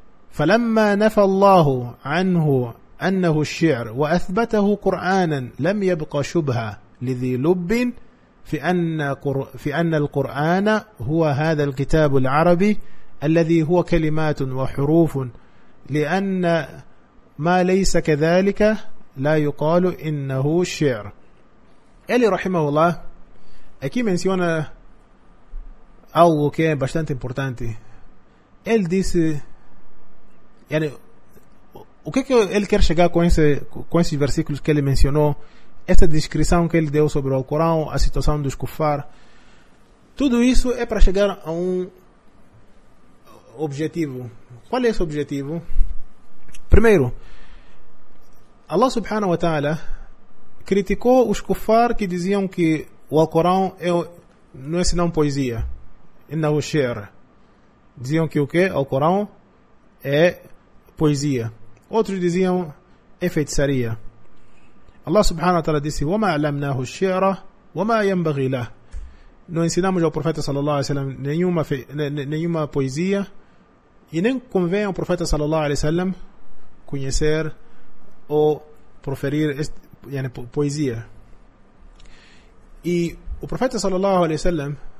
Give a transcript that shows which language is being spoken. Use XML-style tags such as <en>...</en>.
<ar>فلما نفى الله عنه أنه الشعر وأثبته قرآنا لم يبق شبهة لذي لب في أن القرآن هو هذا الكتاب العربي الذي هو كلمات وحروف لأن ما ليس كذلك لا يقال إنه شعر.</ar> <pt>إلي رحمه الله aqui menciona algo que é bastante importante. Ele disse, o que ele quer chegar com esses versículos que ele mencionou, essa descrição que ele deu sobre o Alcorão, a situação dos kufar, tudo isso é para chegar a um objetivo. Qual é esse objetivo? Primeiro, Allah subhanahu wa ta'ala criticou os kufar que diziam que o Alcorão não é senão poesia, não é sher. Diziam que o quê? O Alcorão é poesia. Outros diziam é feitiçaria.</pt> <ar>Allah subhanahu wa ta'ala disse: وَمَا عَلَمْنَاهُ الشِّعْرَ وَمَا يَنْبَغِي لَهُ.</ar> <pt>Não ensinamos ao profeta sallallahu alaihi wasallam nenhuma poesia, e nem convém ao profeta sallallahu alaihi wasallam conhecer ou proferir poesia. E o profeta sallallahu alaihi wasallam</pt>